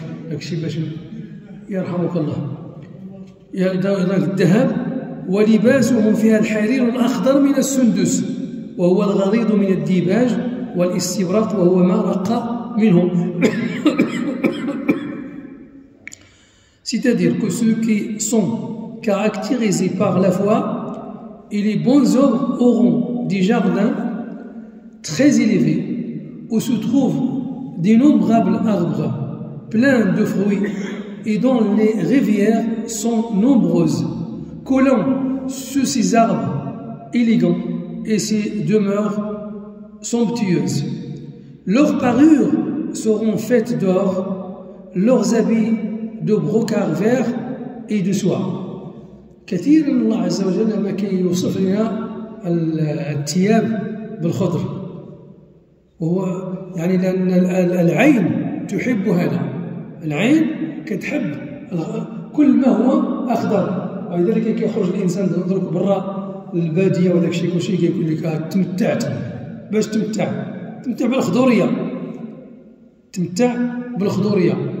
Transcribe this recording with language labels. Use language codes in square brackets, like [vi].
[ar] داكشي باش يرحمك الله يا الذهب ولباسهم فيها الحرير الاخضر من السندس وهو الغليظ من الديباج والاستبرق وهو ما رق منه. [fr] C'est-à-dire que ceux qui sont caractérisés par la foi et les bonnes œuvres auront des jardins très élevés où se trouvent d'innombrables arbres pleins de fruits et dont les rivières sont nombreuses, collant sous ces arbres élégants et ces demeures somptueuses. Leurs parures seront faites d'or, leurs habits de brocart vert et de soie. [ar] كثير من الله عز وجل ما كيوصف لنا الثياب بالخضر وهو يعني لان العين تحب هذا. العين كتحب كل ما هو اخضر ولذلك كيخرج الانسان درك برا الباديه وداك الشيء كلشي كيقول لك تمتعت باش تمتع بالخضوريه تمتع بالخضوريه.